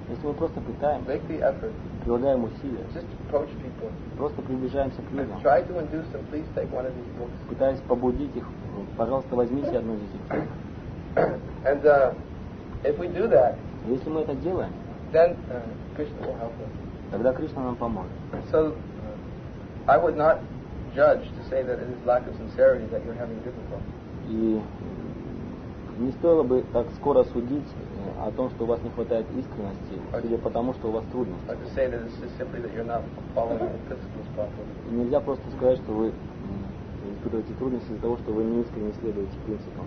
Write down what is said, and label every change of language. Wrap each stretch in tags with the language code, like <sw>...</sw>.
<ru>Если мы просто пытаем.</ru> <en>Make the effort.</en> <ru>Прилагаем усилия.</ru> <en>Just approach people.</en> <ru>Просто приближаемся к людям.</ru> <en>Try to induce them, please take one of these books.</en> <ru>Пытаясь побудить их, пожалуйста, возьмите одну из этих книг.</ru> <en>And if we do that.</en> <ru>Если мы это делаем.</ru> <en>Then Krishna will help us.</en> <ru>Тогда Кришна нам поможет.</ru> <en>So, I would not judge to say that it is lack of sincerity that you're having difficulty.</en> <ru>И не стоило бы так скоро судить о том, что у вас не хватает искренности, или потому, что у вас трудности.</ru> <en>Or to say that it is simply that you're not following the principles properly.</en> <ru>Нельзя просто сказать, что вы испытываете трудности из-за того, что вы не искренне следуете принципам.</ru>